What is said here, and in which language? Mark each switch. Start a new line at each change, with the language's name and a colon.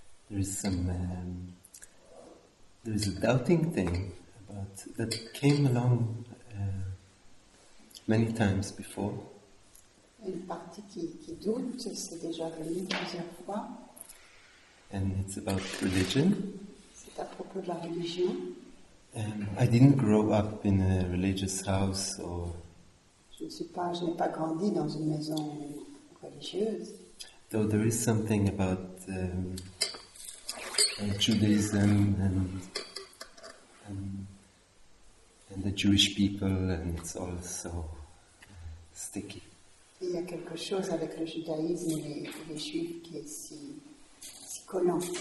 English: is some there's a doubting thing about that came along many times before.
French: Une partie qui doute, c'est déjà venu plusieurs fois.
English: And it's about religion.
French: C'est à propos de la religion.
English: I didn't grow up in a religious house or.
French: Je n'ai pas grandi dans une maison religieuse.
English: Though there is something about Judaism and the Jewish people, and it's all so sticky.
French: Il y a quelque chose avec le judaïsme et les juifs qui est si collant.